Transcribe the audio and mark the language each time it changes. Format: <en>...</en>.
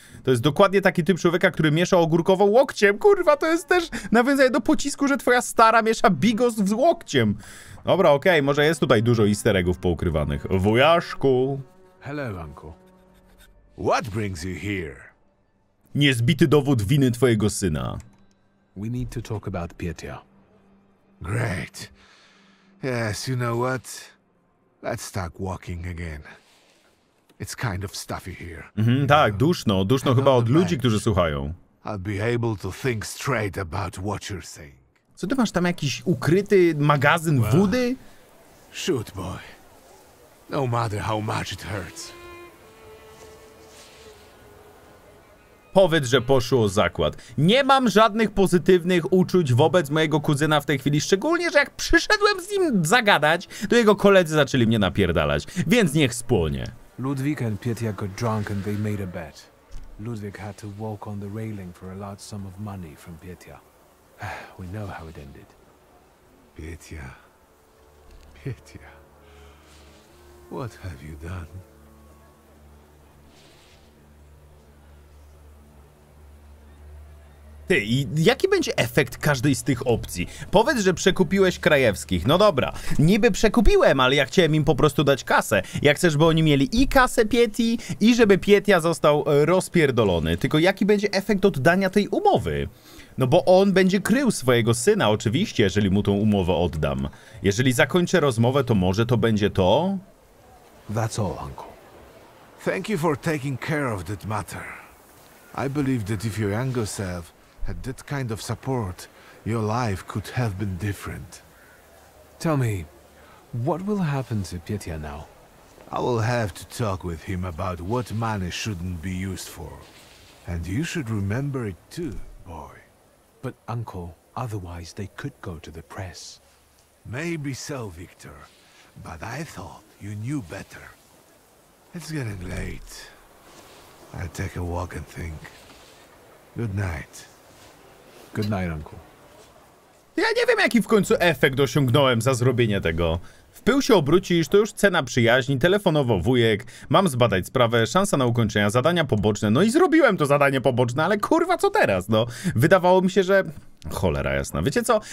<pl>To jest dokładnie taki typ człowieka, który miesza ogórkową łokciem. Kurwa, to jest też nawiązanie do pocisku, że twoja stara miesza bigos z łokciem. Dobra, okej, okay, może jest tutaj dużo easter eggów poukrywanych. Wujaszku.</pl> <en>Hello, uncle. What brings you here?</en> <pl>Niezbity dowód winy twojego syna.</pl> <en>We need to talk about Pietia. Great. Yes, you know what? Let's start walking again. It's kind of stuffy here.</en> <pl>Mm-hmm, tak, duszno. Duszno chyba od ludzi, którzy słuchają.</pl> <en>I'll be able to think straight about what you're saying.</en> <pl>Co ty masz tam, jakiś ukryty magazyn wody?</pl> <en>Shoot, boy. No matter how much it hurts.</en> <pl>Powiedz, że poszło zakład. Nie mam żadnych pozytywnych uczuć wobec mojego kuzyna w tej chwili, szczególnie, że jak przyszedłem z nim zagadać, to jego koledzy zaczęli mnie napierdalać, więc niech spłonie.</pl> <en>Ludwik and Pietia got drunk and they made a bet. Ludwik had to walk on the railing for a large sum of money from Pietia. We know how it ended. Pietia. Pietia. What have you done?</en> <pl>Ty, i jaki będzie efekt każdej z tych opcji? Powiedz, że przekupiłeś Krajewskich. No dobra, niby przekupiłem, ale ja chciałem im po prostu dać kasę. Ja chcę, żeby oni mieli i kasę Pieti, i żeby Pietia został rozpierdolony. Tylko jaki będzie efekt oddania tej umowy? No bo on będzie krył swojego syna, oczywiście, jeżeli mu tą umowę oddam. Jeżeli zakończę rozmowę, to może to będzie to?</pl> <en>That's all, uncle. Thank you for taking care of that matter. I believe that if your younger self had that kind of support, your life could have been different. Tell me, what will happen to Pietia now? I will have to talk with him about what money shouldn't be used for. And you should remember it too, boy. But uncle, otherwise they could go to the press. Maybe so, Victor. But I thought you knew better. It's getting late. I'll take a walk and think. Good night. Good night, uncle.</en> <pl>Ja nie wiem, jaki w końcu efekt osiągnąłem za zrobienie tego. W pył się obrócisz, to już cena przyjaźni, telefonowo wujek, mam zbadać sprawę, szansa na ukończenie, zadania poboczne. No i zrobiłem to zadanie poboczne, ale kurwa, co teraz, no? Wydawało mi się, że... Cholera jasna. Wiecie co?</pl>